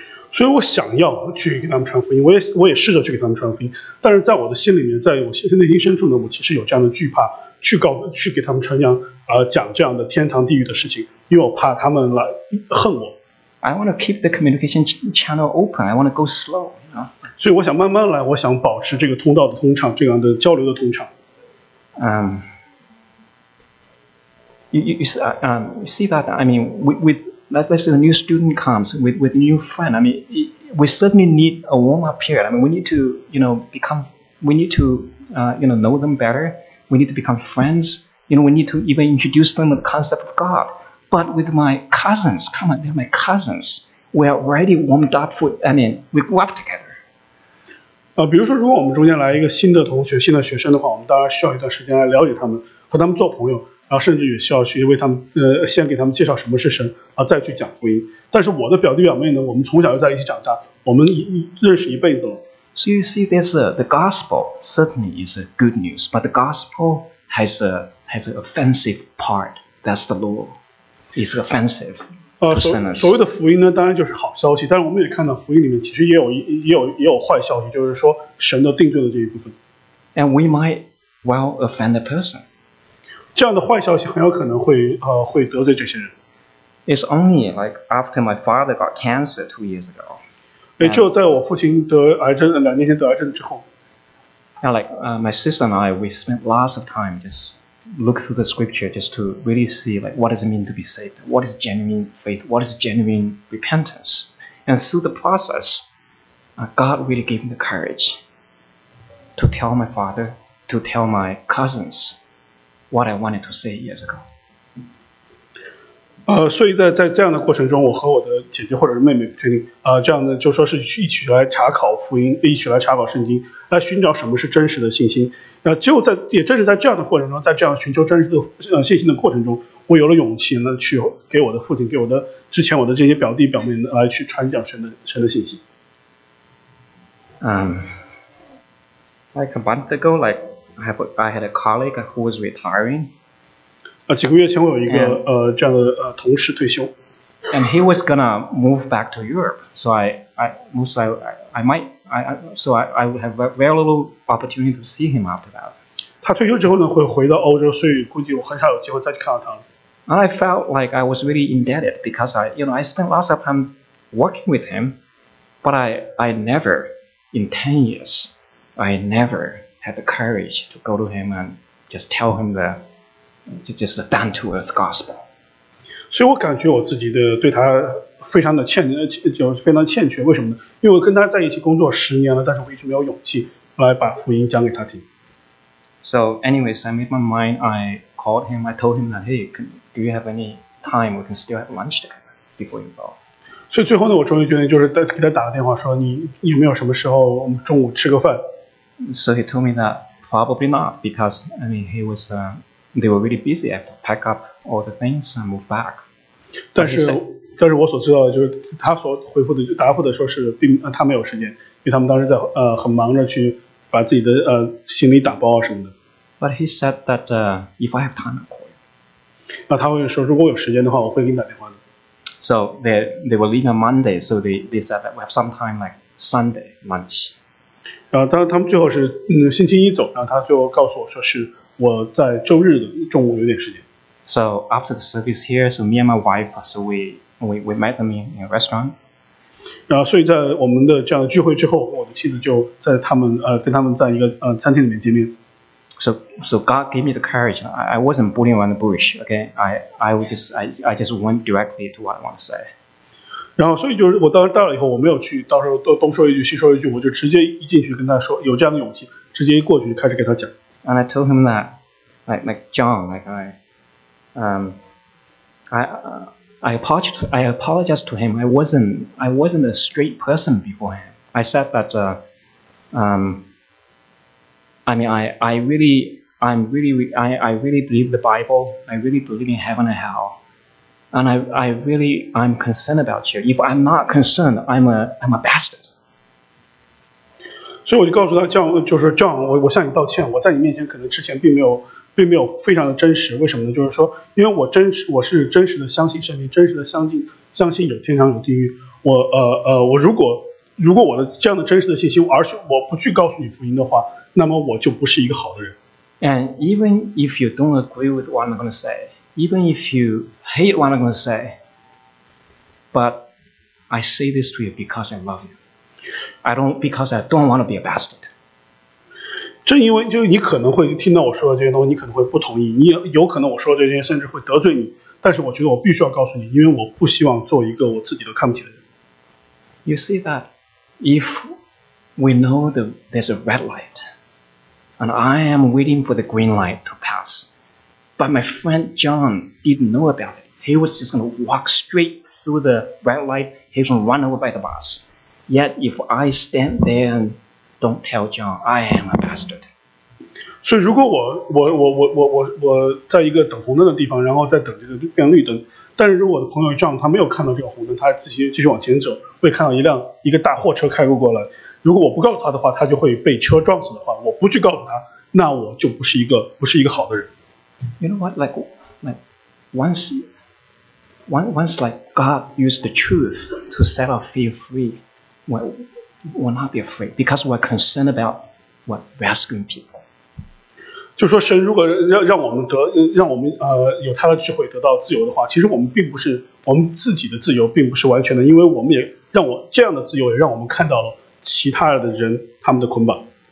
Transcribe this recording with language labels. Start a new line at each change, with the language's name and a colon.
Chinese: 所以我想要去给他们传福音，我也试着去给他们传福音，但是在我的心里面，在我内心深处呢，我其实有这样的惧怕。去给他们传扬，讲这样的天堂地狱的事情，因为我怕他们来恨我。
English: I want to keep the communication channel open. I want to go slow.
Chinese: 所以我想慢慢来，我想保持这个通道的通畅，这样的交流的通畅。
English: You see that? I mean, with let's say a new student comes with new friend. I mean, we certainly need a warm up period. I mean, we need to know them better. We need to become friends. You know, we need to even introduce them to the concept of God. But with my cousins, come on, they're my cousins. We are already warmed up we grew up together.
Chinese: 比如说如果我们中间来一个新的同学、新的学生的话，我们当然需要一段时间来了解他们，和他们做朋友，然后甚至也需要去为他们先给他们介绍什么是神，然后再去讲福音。但是我的表弟表妹呢，我们从小就在一起长大，我们认识一辈子了。
English: So you see, there's the gospel certainly is a good news, but the gospel has an offensive part. That's the law. It's offensive to sinners.
Chinese: 所谓的福音呢，当然就是好消息。但是我们也看到福音里面其实也有坏消息，就是说神的定罪的这一部分。
English: And we might well offend a person.
Chinese: 这样的坏消息很有可能会得罪这些人。
English: It's only like after my father got cancer 2 years ago.
Chinese: 只有在我父亲得癌症两年前得癌症之后
English: yeah, like, my sister and I, we spent lots of time just look through the scripture just to really see like, what does it mean to be saved, what is genuine faith, what is genuine repentance. And through the process, God really gave me the courage to tell my father, to tell my cousins what I wanted to say years ago.
Chinese: 所以在这样的过程中，我和我的姐姐或者是妹妹，确定，这样的就说是一起来查考福音，一起来查考圣经，来寻找什么是真实的信心。那就在也正是在这样的过程中，在这样寻求真实的信心的过程中，我有了勇气呢，去给我的父亲，给我的之前我的这些表弟表妹来去传讲神的信心。
English: Like a month ago, like I had a colleague who was retiring.
Chinese: 几个月前我有一个 and, 这样的同事退休。
English: And he was gonna move back to Europe, so I would have very little opportunity to see him after that.
Chinese: 他退休之后呢，会回到欧洲，所以估计我很少有机会再去看到他。
English: And I felt like I was really indebted because I spent lots of time working with him, but I never in 10 years I never had the courage to go to him and just tell him the. Just the down to earth gospel.
Chinese: 所以我感觉我自己的对他非常的欠缺，为什么呢？因为我跟他在一起工作10年了，但是我一直没有勇气来把福音讲给他听。
English: So, anyways, I made my mind. I called him. I told him that, hey, do you have any time? We can still have lunch together before you go.
Chinese: 所以最后呢，我终于决定就是给他打个电话，说你有没有什么时候我们中午吃个饭
English: ？So he told me that probably not, because I mean he was. They were really busy. I pack up all the things and move back.
Chinese: 但是我所知道的就是他所回复的答复的说是并他没有时间，因为他们当时在很忙着去把自己的行李打包什么的。
English: But he said that if I have time, I'll call you.
Chinese: 那他会说如果有时间的话，我会给你打电话的。
English: So they were leaving on Monday, so they said that we have some time like Sunday lunch.
Chinese: 然后他们最后是星期一走，然后他最后告诉我说是。我在周日的中午有点时间。
English: So after the service here, so me and my wife, so we met them in a restaurant.
Chinese: 然后所以在我们的这样的聚会之后，我的妻子就在他们跟他们在一个餐厅里面见面。
English: So God gave me the courage. I wasn't bullying around the bush. Okay, I just went directly to what I want to say.
Chinese: 然后所以就是我当时到了以后，我没有去到时候都东说一句西说一句，我就直接一进去跟他说，有这样的勇气，直接一过去开始给他讲。
English: And I told him that, like John, like I apologized to him. I wasn't a straight person before him. I said that, I really believe the Bible. I really believe in heaven and hell. And I'm concerned about you. If I'm not concerned, I'm a bastard.
Chinese: 所以我就告诉他，这样就是这样，我向你道歉，我在你面前可能之前并没有非常的真实，为什么呢？就是说，因为我是真实的相信圣经，真实的相信有天堂有地狱。我如果我的这样的真实的信心，而是我不去告诉你福音的话，那么我就不是一个好的人。
English: And even if you don't agree with what I'm going to say, even if you hate what I'm going to say, but I say this to you because I love you. Because I don't want to be a bastard.
Chinese: 正因为就你可能会听到我说的这些东西，你可能会不同意，你有可能我说的这些甚至会得罪你。但是我觉得我必须要告诉你，因为我不希望做一个我自己都看不起的人。
English: You see that if we know that there's a red light, and I am waiting for the green light to pass, but my friend John didn't know about it. He was just going to walk straight through the red light. He was going to run over by the bus. Yet if I stand there and don't tell John, I am a bastard.
Chinese: 所以如果我在一个等红灯的地方，然后在等这个变绿灯，但是如果我的朋友 John 他没有看到这个红灯，他自己继续往前走，会看到一个大货车开过来。如果我不告诉他的话，他就会被车撞死的话，我不去告诉他，那我就不是一个好的人。
English: You know what? Like once God used the truth to set our fear free. We'll not be afraid because we're concerned about what rescuing people.
Chinese: 就说神如果让我们有他的智慧得到自由的话，其实我们并不是我们自己的自由并不是完全的，因为我们也让我这样的自由也让我们看到了其他的人他们的捆绑。